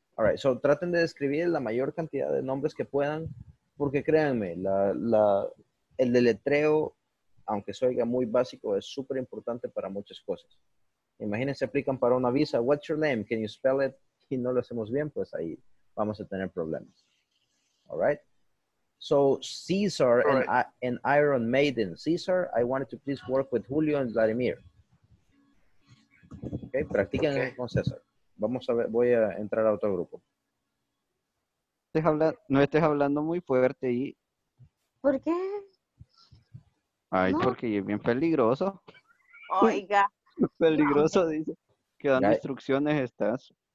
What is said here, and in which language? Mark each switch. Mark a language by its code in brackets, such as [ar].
[es] All right, so traten de describir la mayor cantidad de nombres que puedan, porque créanme, el deletreo, aunque se oiga muy básico, es súper importante para muchas cosas. Imagínense, aplican para una visa. [en] What's your name? Can you spell it? [es] Y no lo hacemos bien, pues ahí vamos a tener problemas. [en] All right. So, Caesar and Iron Maiden. Caesar, I wanted to please work with Julio and Vladimir. [es] Okay, practiquen okay. Con César. Vamos a ver, voy a entrar a otro grupo. No estés hablando muy fuerte ahí. ¿Por qué? Ay, no. Porque es bien peligroso. Oiga. Peligroso, dice. Que dan ya. Instrucciones estas.